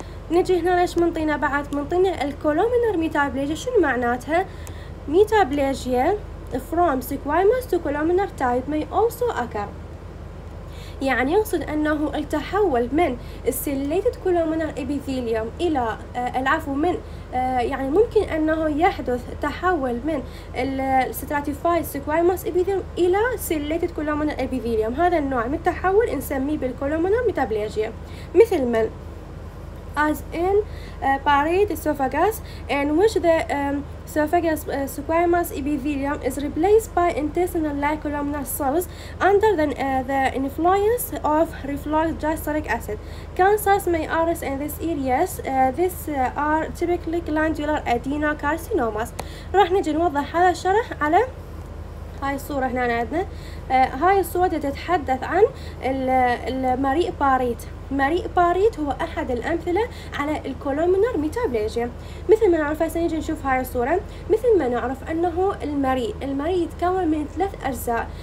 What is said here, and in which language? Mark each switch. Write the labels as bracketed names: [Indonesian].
[Arabic] نجي هنا ليش منطينا بعد منطينا الكولومنر ميتابليجيا شنو معناتها؟ ميتابليجيا from سكويموس to كولومنر [English] type may also occur، [Arabic] يعني يقصد انه التحول من السيليتد كولومنر ابيثيليوم الى العفو من يعني ممكن انه يحدث تحول من الستراتيفايد سكويموس ابيثيليوم الى سيليتد كولومنر ابيثيليوم. هذا النوع من التحول نسميه بالكولومنر ميتابليجيا. مثل من [English] as in parade esophagus in which the esophagus squamous epithelium is replaced by intestinal like columnar cells under the influence of reflux gastric acid. Cancers may arise in this areas. These are typically glandular adenocarcinomas. [Arabic] راح نجي نوضح هذا الشرح على هاي الصورة. هنا عندنا هاي الصورة تتحدث عن المريء باريت. مريء باريت هو احد الامثله على الكولومنر ميتابليجيا. مثل ما نعرف هسه نجي نشوف هاي الصوره. مثل ما نعرف انه المريء يتكون من ثلاث اجزاء.